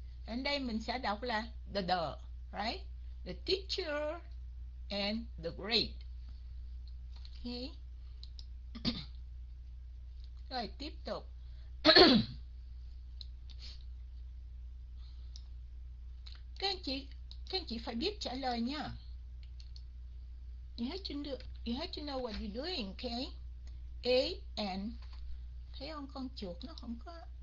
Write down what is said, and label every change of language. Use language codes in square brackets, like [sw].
[vi] Ở đây mình sẽ đọc là the, right? [en] The teacher and the grade. [vi] Okay. Rồi tiếp tục. Các anh chị phải biết trả lời nha. [en] You have to know what you're doing, okay? [vi] A and thấy không, con chuột nó không có.